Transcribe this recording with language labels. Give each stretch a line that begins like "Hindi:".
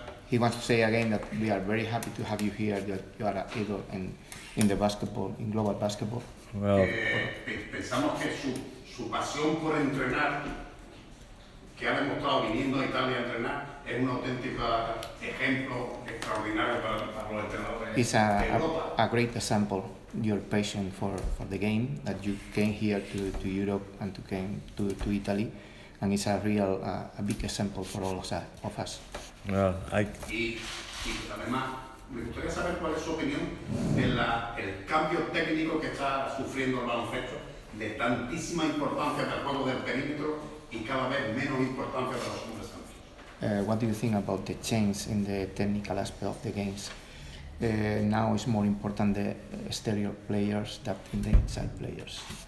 English: He wants to say again that we are very happy to have you here. That you are an idol in the basketball, in global basketball. Well,
Spanish: pensamos que su pasión por entrenar, que ha demostrado viniendo a Italia a entrenar, es un auténtico ejemplo extraordinario para los entrenadores.
English: It's a great example. Your passion for the game, that you came here to Europe and to Italy, and it's a real a big example for all of us.
Spanish: Y además, me gustaría saber cuál es su opinión del cambio técnico que está sufriendo el baloncesto, de tantísima importancia para el juego del perímetro y cada vez menos importancia para los hombres también.
English: What do you think about the change in the technical aspect of the games? Now it's more important the exterior players than the inside players.